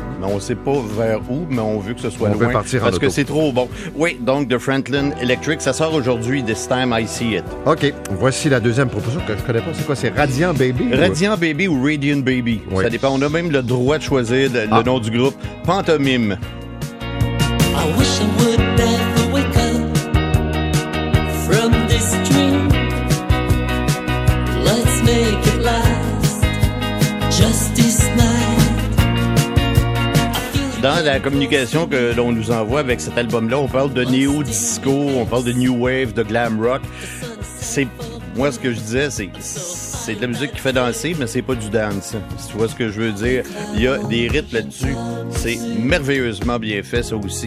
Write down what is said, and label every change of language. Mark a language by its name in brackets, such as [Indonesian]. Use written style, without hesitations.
[French] Mais on ne sait pas vers où, mais on veut que ce soit on loin. On partir en parce auto. Que c'est trop bon. Oui, donc de Franklin Electric. Ça sort aujourd'hui, This Time I See It. OK, voici la deuxième proposition que je ne connais pas. C'est quoi? C'est Radiant Baby? Radiant ou... Baby ou Radiant Baby. Oui. Ça dépend. On a même le droit de choisir le nom du groupe. Pantomime. [English] I wish I would never wake up from this dream. Let's make it last, just this night. [French] Dans la communication que l'on nous envoie avec cet album-là, on parle de néo-disco, on parle de new wave, de glam rock. C'est, moi, ce que je disais, c'est de la musique qui fait danser, mais c'est pas du dance. Si tu vois ce que je veux dire, il y a des rythmes là-dessus. C'est merveilleusement bien fait, ça aussi.